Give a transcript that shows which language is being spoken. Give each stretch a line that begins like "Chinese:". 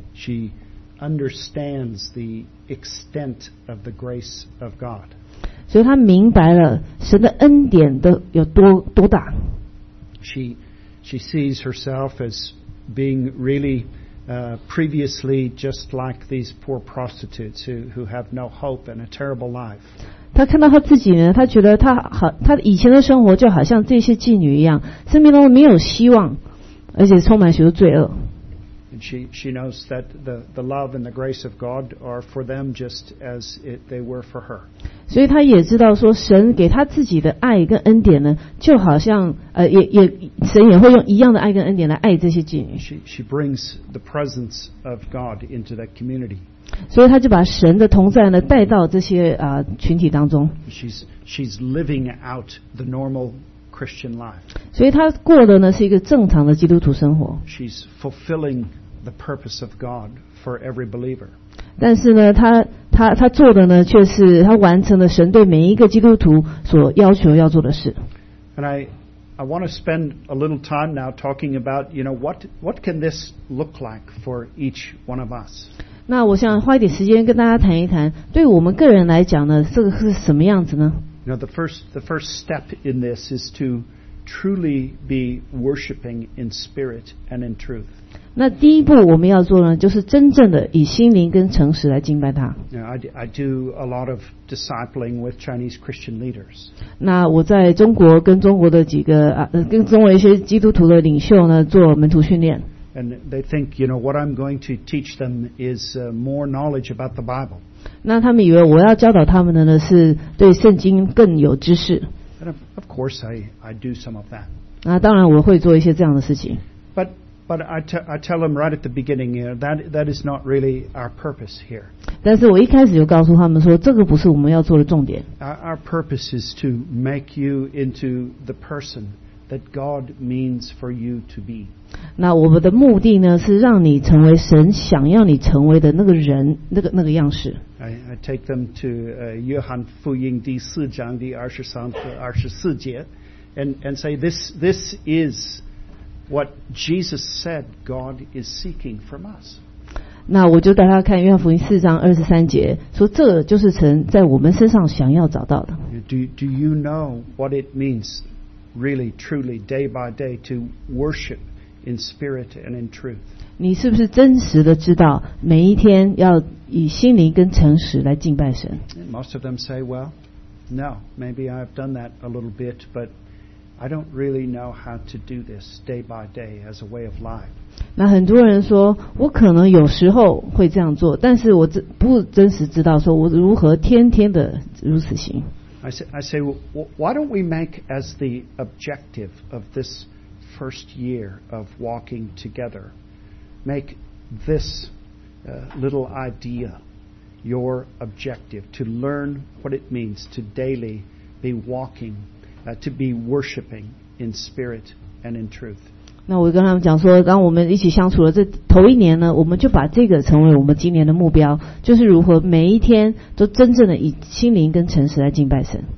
English: She understands the extent of the grace of God.
Chinese: 所以她明白了神的恩典的有多大。
English: She sees herself as being really previously just like these poor prostitutes who have no hope and a terrible life.
Chinese: 他看到他自己呢，他觉得他以前的生活就好像这些妓女一样，生命中没有希望，而且充满许多罪恶。
English: And she knows that the love and the grace of God are for them just as they were for her.
Chinese: 所以他也知道说，神给他自己的爱跟恩典呢，就好像也神也会用一样的爱跟恩典来爱这些妓女。
English: She brings the presence of God into that community.
Chinese: 所以他就把神的同在呢带到这些群体当中。
English: She's living out the normal Christian life.
Chinese: 所以他过的呢是一个正常的基督徒生活。
English: She's fulfilling the purpose of God for every believer.
Chinese: 但是呢，他做的呢却是他完成了神对每一个基督徒所要求要做的事。
English: And I want to spend a little time now talking about, you know, what can this look like for each one of us?
Chinese: 那我想花一点时间跟大家谈一谈，对我们个人来讲呢，这个是什么样子呢？
English: You know, the first step in this is to truly be worshiping in spirit and in truth.
Chinese: 那第一步我们要做呢，就是真正的以心灵跟诚实来敬拜他。
English: You know, I do a lot of discipling with Chinese Christian leaders.
Chinese: 那我在中国跟中国的几个跟中国一些基督徒的领袖呢做门徒训练。
English: And they think, you know, what I'm going to teach them is more knowledge about the Bible.
Chinese: 那他们以为我要教导他们的呢是对圣经更有知识。
English: And of course, I do some of that.
Chinese: 那当然我会做一些这样的事情。
English: But I tell them right at the beginning, you know, that is not really our purpose here.
Chinese: 但是我一开始就告诉他们说，这个不是我们要做的重点。
English: Our purpose is to make you into the person that God means for you to be.
Chinese: 那我们的目的呢，是让你成为神想要你成为的那个人，那个样式。
English: I take them to Yohan Fu Ying
Chinese: 第四章第二十三和二十四节
English: ，and say this is what Jesus said God is seeking from us。
Chinese: 那我就带他看约翰福音四章二十三节，说这就是神在我们身上想要找到的。
English: Do you know what it means, really, truly, day by day to worship? In spirit and in truth.
Chinese: 你是不是真实的知道每一天要以心灵跟诚实来敬拜神？
English: Most of them say, "Well, no, maybe I've done that a little bit, but I don't really know how to do this day by day as a way of life.
Chinese: 那很多人说，我可能有时候会这样做，但是我不真实知道说我如何天天的如此行。
English: I say, why don't we make as the objective of this first year of walking together, make this little idea your objective to learn what it means to daily be walking, to be worshiping in spirit and in truth.
Chinese: 那我跟他们讲说，当我们一起相处了这头一年呢，我们就把这个成为我们今年的目标，就是如何每一天都真正的以心灵跟诚实来敬拜神。